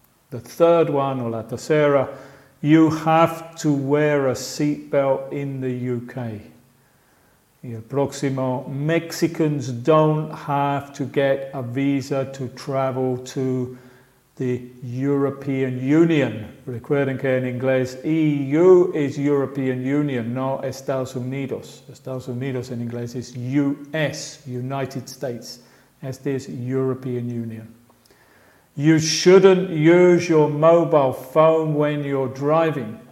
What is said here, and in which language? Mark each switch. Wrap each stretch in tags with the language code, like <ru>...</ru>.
<en>The third one,</en> <es>o la tercera,</es> <en>you have to wear a seatbelt in the UK.</en> <es>Y el próximo,</es> <en>Mexicans don't have to get a visa to travel to the European Union.</en> <es>Recuerden que en inglés EU es European Union, no Estados Unidos. Estados Unidos en inglés es US, United States. Este es European Union.</es> <en>You shouldn't use your mobile phone when you're driving.</en>